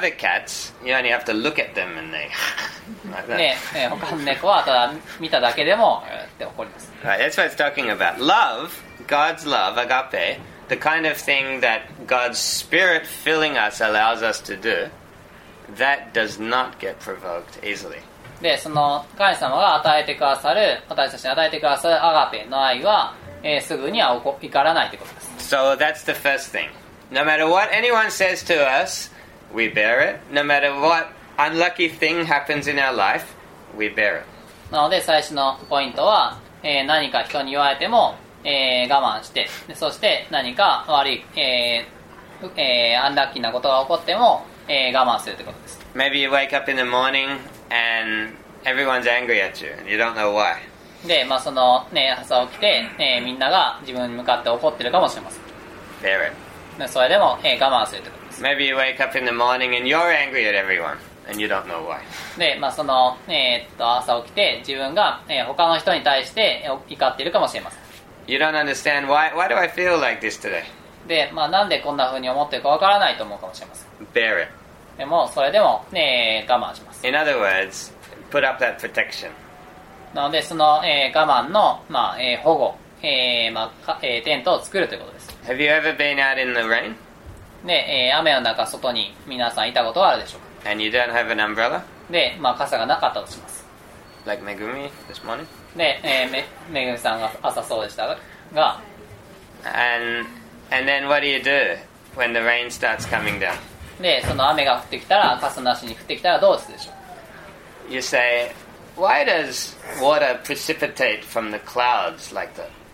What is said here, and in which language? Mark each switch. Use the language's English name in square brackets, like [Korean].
[English] Other cats, you only have to look at them and they, like that. [Japanese] 他の猫はただ見ただけでも、って怒ります。 [English] Right, that's what it's talking about. Love, God's love, agape,The kind of thing that God's Spirit filling us allows us to do, that does not get provoked easily. [Japanese] で、その神様が与えてくださる、私たちに与えてくださるアガペの愛は、すぐには怒らないということです。 [English] So that's the first thing. No matter what anyone says to us, we bear it. No matter what unlucky thing happens in our life, we bear it. [Japanese] なので最初のポイントは、何か人に言われても、我慢して、そして何か悪い、アンラッキーなことが起こっても、我慢するということです。 [English] Maybe you wake up in the morning and everyone's angry at you. You don't know why. [Japanese] で、まあそのね、朝起きて、みんなが自分に向かって怒ってるかもしれません。 [English] Bear it. [Japanese] で、それでも、我慢するということです。 [English] Maybe you wake up in the morning and you're angry at everyone. And you don't know why. [Japanese] で、まあその朝起きて自分が、他の人に対して怒っているかもしれません。 [English] You don't understand why. Why do I feel like this today? [Japanese] で、まあなんでこんな風に思っているかわからないと思うかもしれません。 [English] Bear it. [Japanese] でもそれでも、我慢します。 [English] In other words, put up that protection. [Japanese] なのでその、我慢の、まあ保護、まあテントを作るということです。 [English] Have you ever been out in the rain? [Japanese] で、雨の中外に皆さんいたことはあるでしょうか。 [English] And you don't have an umbrella? [Japanese] で、まあ傘がなかったとします。 [English] Like Megumi this morning? [Japanese] で、Megumi さんが朝そうでしたが。 [English] And then what do you do when the rain starts coming down? [Japanese] で、その雨が降ってきたら、傘なしに降ってきたらどうするでしょう [English] ?You say, why does water precipitate from the clouds like that?